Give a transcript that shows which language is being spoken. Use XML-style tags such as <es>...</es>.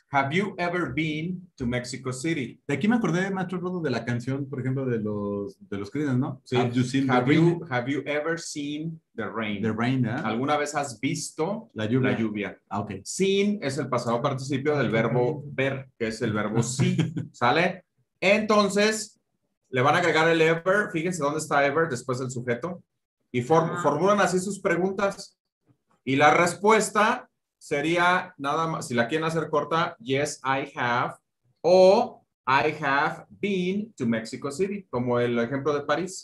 <en>Have you ever been to Mexico City?</en> <es>De aquí me acordé, Maestro Rodo, de la canción, por ejemplo, de los Creedence, ¿no? Sí.</es> <en>Have you ever seen the rain? The rain, ¿eh?</en> <es>¿Alguna vez has visto la lluvia? La lluvia.</es> <en>Ah, okay.</en> <es>Seen es el pasado participio del verbo ver, que es el verbo see, ¿sale? Entonces, le van a agregar el ever, fíjense dónde está ever, después del sujeto, y formulan así sus preguntas. Y la respuesta sería, nada más, si la quieren hacer corta,</es> <en>yes, I have,</en> <es>o</es> <en>I have been to Mexico City,</en> <es>como el ejemplo de París.</es>